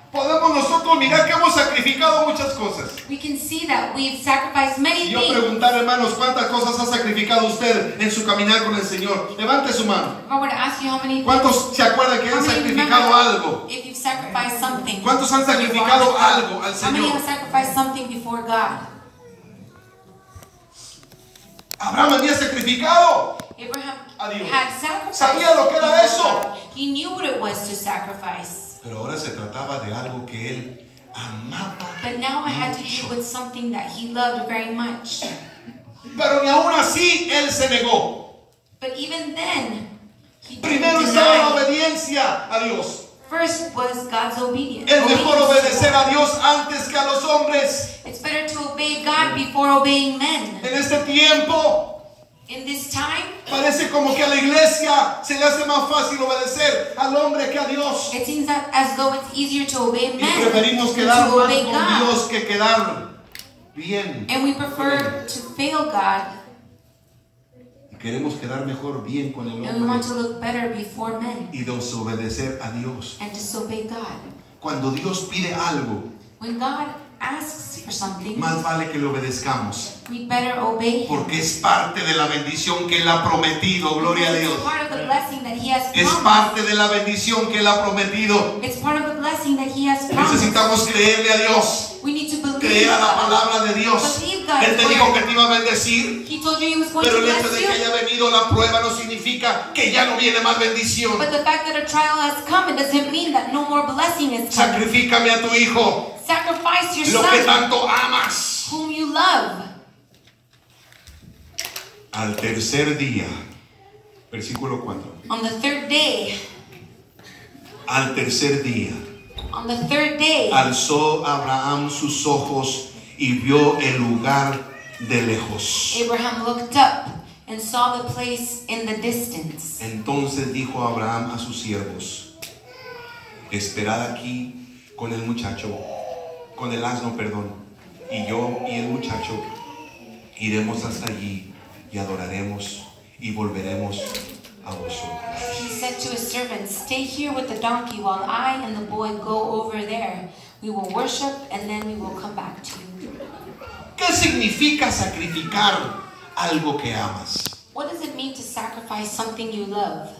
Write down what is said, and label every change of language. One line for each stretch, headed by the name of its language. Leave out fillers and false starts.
Spanish: Podemos nosotros mirar que hemos sacrificado muchas cosas.
English: We can see that we've sacrificed many things.
Spanish: Yo preguntar, hermanos, ¿cuántas cosas ha sacrificado usted en su caminar con el Señor? Levante su mano.
English: I want to ask you how many.
Spanish: ¿Cuántos se acuerdan que han sacrificado algo?
English: If you've sacrificed something.
Spanish: ¿Cuántos han sacrificado algo al Señor?
English: How many have sacrificed something before God?
Spanish: Abraham había sacrificado.
English: Abraham had sacrificed.
Spanish: ¿Sabía lo que era eso?
English: He knew what it was to sacrifice.
Spanish: Pero ahora se trataba de algo que él amaba.
English: But now it had to do with something that he loved very much.
Spanish: Pero ni aún así él se negó.
English: But even then, he
Spanish: primero estaba la obediencia a Dios.
English: First was God's obedience.
Spanish: Es mejor obedecer a Dios antes que a los hombres.
English: It's better to obey God before obeying men.
Spanish: En este tiempo,
English: in this time,
Spanish: parece como que a la iglesia se le hace más fácil obedecer al hombre que a Dios.
English: It seems that as though it's easier to obey men.
Spanish: Y preferimos quedar mal con Dios que quedar bien.
English: And we prefer to fail God.
Spanish: Queremos quedar mejor bien con el hombre.
English: And we want to look better before men.
Spanish: Y desobedecer a Dios.
English: And disobey God.
Spanish: Cuando Dios pide algo,
English: when God asks for something,
Spanish: más vale que le obedezcamos.
English: We better obey him.
Spanish: Porque es parte de la bendición que él ha prometido. Gloria a Dios.
English: It's part of the blessing that he has promised.
Spanish: Es parte de la bendición que él ha prometido.
English: It's part of the blessing that he has promised.
Spanish: Necesitamos creerle a Dios.
English: We need to believe.
Spanish: Creer a la palabra de Dios. Él te dijo que te iba a bendecir.
English: He told you he was going
Spanish: pero el hecho
English: to
Spanish: de que haya venido la prueba no significa que ya no viene más bendición.
English: But the fact that a trial has come, it doesn't mean that no more blessing is coming.
Spanish: Sacrifícame a tu hijo.
English: Sacrifice your son.
Spanish: Lo que tanto amas.
English: Whom you love.
Spanish: Al tercer día, versículo 4.
English: On the third day.
Spanish: Al tercer día.
English: On the third day.
Spanish: Alzó Abraham sus ojos y vio el lugar de lejos.
English: Abraham looked up and saw the place in the distance.
Spanish: Entonces dijo Abraham a sus siervos: Esperad aquí con el muchacho, con el asno, perdón, y yo y el muchacho iremos hasta allí. Y adoraremos y volveremos a vosotros.
English: He said to his servants, stay here with the donkey while I and the boy go over there. We will worship and then we will come back to you.
Spanish: ¿Qué significa sacrificar algo que amas?
English: What does it mean to sacrifice something you love?